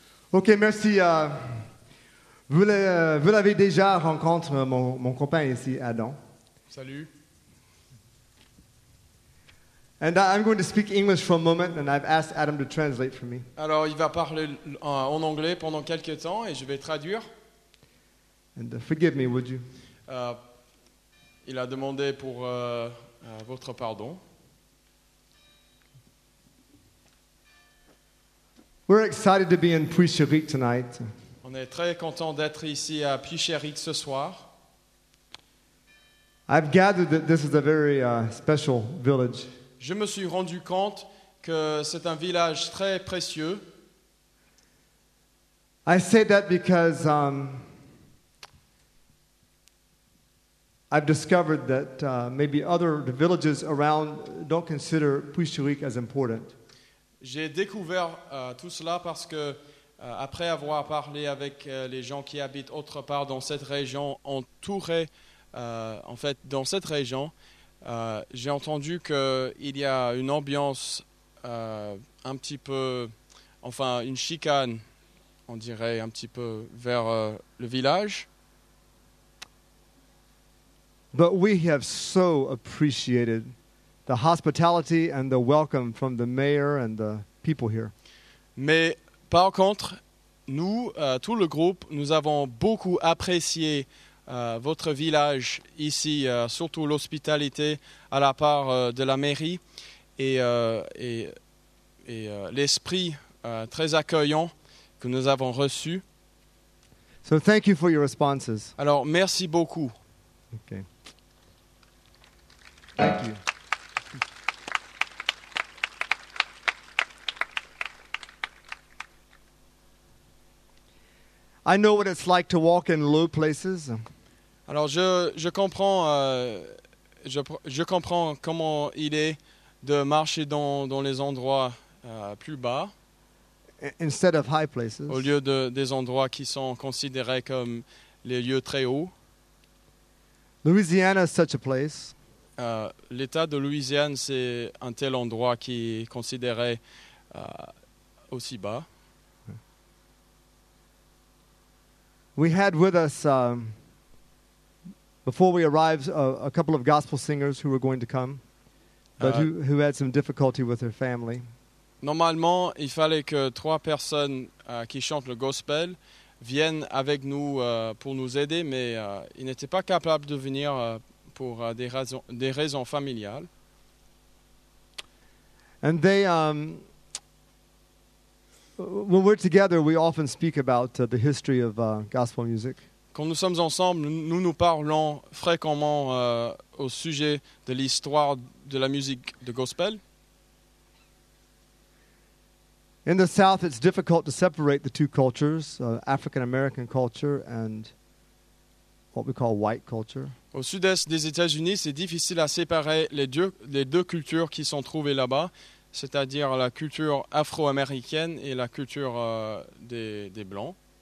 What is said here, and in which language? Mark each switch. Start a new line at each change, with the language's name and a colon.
French: Ok, merci. Vous l'avez déjà rencontré, mon compagnon ici, Adam. Salut.
English: And I'm going to speak English for a moment, and I've asked Adam to translate for me.
French: Alors, il va parler en anglais pendant quelques temps, et je vais traduire.
English: And forgive me, would you?
French: Il a demandé pour votre pardon.
English: We're excited to be in Puisherik tonight.
French: On est très content d'être ici à Puisherik ce soir.
English: I've gathered that this is a very special village.
French: Je me suis rendu compte que c'est un village très précieux.
English: I say that because I've discovered that maybe other villages around don't consider Puisherik as important.
French: J'ai découvert tout cela parce que, après avoir parlé avec les gens qui habitent autre part dans cette région, j'ai entendu qu'il y a une ambiance un petit peu, enfin une chicane, on dirait, un petit peu vers le village.
English: But we have so appreciated the hospitality and the welcome from the mayor and the people here.
French: Mais par contre, nous, tout le groupe, nous avons beaucoup apprécié votre village ici, surtout l'hospitalité à la part de la mairie et l'esprit très accueillant que nous avons reçu.
English: So thank you for your responses.
French: Alors, merci beaucoup.
English: Okay. Thank you. I know what it's like to walk in low places.
French: Alors je comprends comment il est de marcher dans les endroits plus bas.
English: Instead of high places.
French: Au lieu des endroits qui sont considérés comme les lieux très hauts.
English: Louisiana is such a place.
French: L'État de Louisiane, c'est un tel endroit qui est considéré aussi bas.
English: We had with us before we arrived a couple of gospel singers who were going to come, but who had some difficulty with their family.
French: Normalement, il fallait que trois personnes qui chantent le gospel viennent avec nous pour nous aider, mais ils n'étaient pas capables de venir pour des raisons familiales.
English: And they, when we're together, we often speak about the history of gospel music.
French: Quand nous sommes ensemble, nous parlons fréquemment au sujet de l'histoire de la musique de gospel.
English: In the South, it's difficult to separate the two cultures, African-American culture and what we call white culture.
French: Au sud-est des États-Unis, c'est difficile à séparer les deux cultures qui sont trouvées là-bas, c'est-à-dire la culture afro-américaine et la culture des blancs.